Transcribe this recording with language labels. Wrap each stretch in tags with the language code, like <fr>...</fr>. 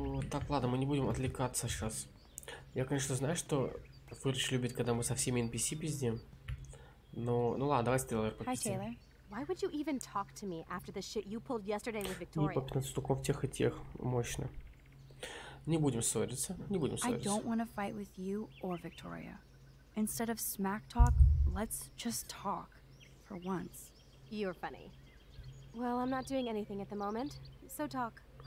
<ru>Так, ладно, мы не будем отвлекаться сейчас. Я, конечно, знаю, что Фурич любит, когда мы со всеми NPC пиздим. Ну ладно, давай с Тейлор по 15.</ru> <en>Hi, Taylor. Why would you even talk to me after the shit you pulled yesterday with Victoria?</en> <ru>И по 15 штуков тех и тех. Мощно. Не будем ссориться, не будем ссориться.</ru> <en>I don't want to fight with you or Victoria. Instead of smack talk, let's just talk for once. You're funny. Well, I'm not doing anything at the moment, so talk.</en>